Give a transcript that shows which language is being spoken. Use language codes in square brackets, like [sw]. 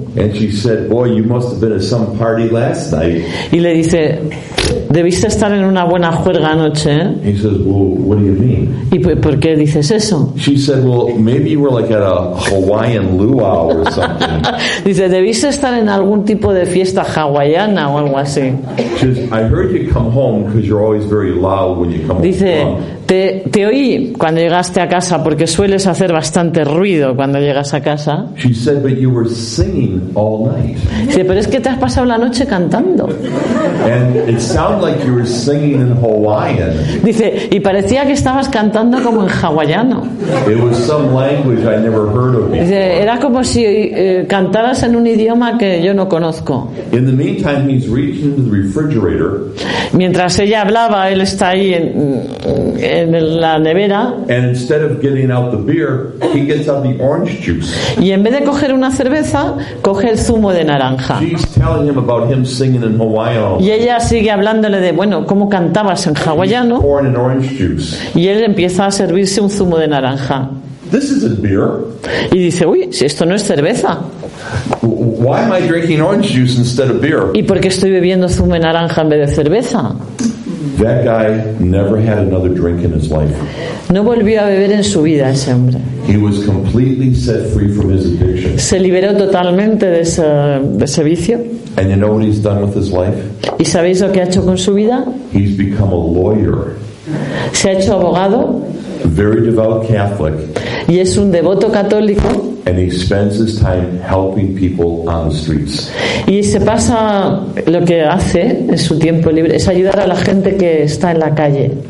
[en] And she said, "Boy, you must have been at some party last night." [es] Y le dice, "Debiste estar en una buena juerga anoche." [en] He says, "Well, what do you mean?" [es] ¿Y por qué dices eso? [en] She said, "Well, maybe you were like at a Hawaiian luau or something." [es] Dice, "Debiste estar en algún tipo de fiesta hawaiana o algo así." [en] She says, "I heard you come home because you're always very loud when you come home." [es] Dice, te oí cuando llegaste a casa porque sueles hacer bastante ruido cuando llegas a casa. [en] She said, "But you were singing all night." [es] Dice, pero es que te has pasado la noche cantando. [en] And it sounded like you were singing in Hawaiian. [es] Dice, y parecía que estabas cantando como en hawaiano. [en] It was some language I never heard of before. [es] Dice, era como si cantaras en un idioma que yo no conozco. [en] In the meantime, he's reaching into the refrigerator. [es] Mientras ella hablaba, él está ahí en la nevera. [en] And instead of getting out the beer, he gets out the orange juice. [es] Y en vez de coger una cerveza, coge el zumo de naranja. [en] She's telling him about him singing in Hawaiian. [es] Y ella sigue hablándole de, bueno, cómo cantabas en hawaiano. [en] He's pouring an orange juice. [es] Y él empieza a servirse un zumo de naranja. [en] This isn't beer. [es] Y dice, uy, si esto no es cerveza. [en] Why am I drinking orange juice instead of beer? [es] ¿Y por qué estoy bebiendo zumo de naranja en vez de cerveza? [en] That guy never had another drink in his life. [es] No volvió a beber en su vida ese hombre. [en] He was completely set free from his addiction. [es] Se liberó totalmente de ese vicio. [en] And you know what he's done with his life? [es] ¿Y sabéis lo que ha hecho con su vida? [en] He's become a lawyer. [es] Se ha hecho abogado. [en] Very devout Catholic. [es] Y es un devoto católico. [en] And he spends his time helping people on the streets. [es] Y se pasa lo que hace en su tiempo libre es ayudar a la gente que está en la calle.